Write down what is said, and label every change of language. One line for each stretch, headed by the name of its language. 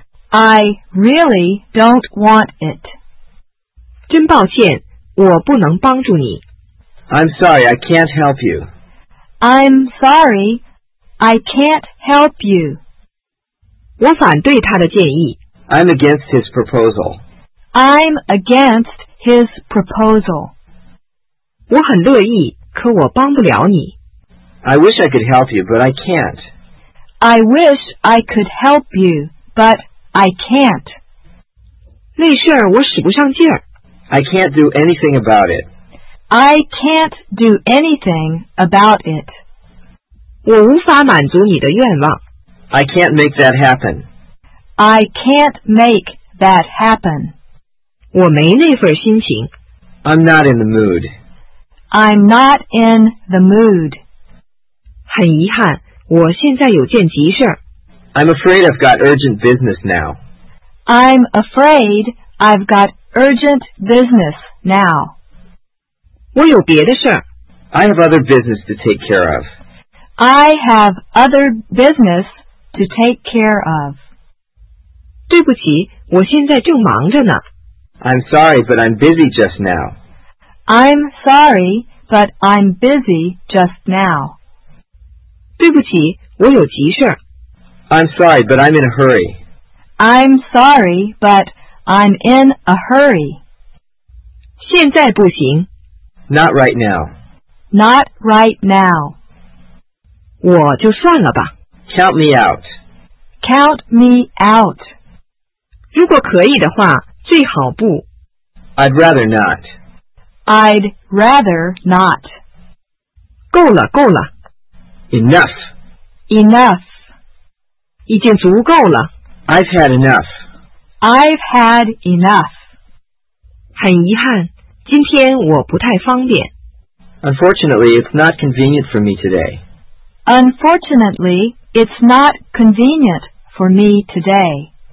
English: I really don't want it.
Chinese: 真抱歉，我不能帮助你。
English: I'm sorry, I can't help you. I'm sorry, I can't help you.
Chinese: 我反对他的建议。
English: I'm against his proposal. I'm against his proposal.
Chinese: 我很乐意，可我帮不了你。
English: I wish I could help you, but I can't. I wish I could help you, but I can't.
Chinese: 那事儿我使不上劲儿。
English: I can't do anything about it. I can't do anything about it.
Chinese: 我无法满足你的愿望。
English: I can't make that happen. I can't make that happen.
Chinese: 我没那份心情。
English: I'm not in the mood. I'm not in the mood.
Chinese: 很遗憾，我现在有件急事。
English: I'm afraid I've got urgent business now. I'm afraid I've got urgent business now.
Chinese: 我有别的事。
English: I have other business to take care of. I have other business to take care of.
Chinese: 对不起，我现在正忙着呢。
English: I'm sorry, but I'm busy just now. I'm sorry, but I'm busy just now.
Chinese: 对不起，我有急事。
English: I'm sorry, but I'm in a hurry. I'm sorry, but I'm in a hurry.
Chinese: 现在不行。
English: Not right now. Not right now.
Chinese: 我就算了吧。
English: Count me out. Count me out.
Chinese: 如果可以的话，最好不。
English: I'd rather not. I'd rather not.
Chinese: 够了，够了。
English: Enough. Enough.
Chinese: 已经足够了。
English: I've had enough. I've had enough. 很遗憾，今天我不太方便。 Unfortunately, it's not convenient for me today. Unfortunately, it's not convenient for me today.